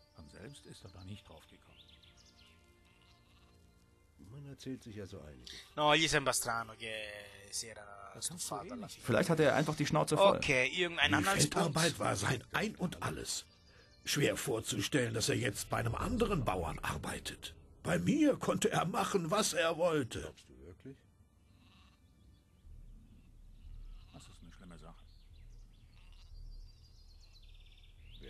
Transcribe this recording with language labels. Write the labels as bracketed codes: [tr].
[de] Selbst ist er da nicht drauf gekommen. Man erzählt sich ja so einiges. [it] No, gli sembra strano che si era stufato. [de] Vielleicht hat er einfach die Schnauze voll. Okay, irgendein anderes Punkt. Die Feldarbeit war sein Ein und Alles. Schwer vorzustellen, dass er jetzt bei einem anderen Bauern arbeitet. Bei mir konnte er machen, was er wollte. Glaubst du wirklich? Das ist eine schlimme Sache.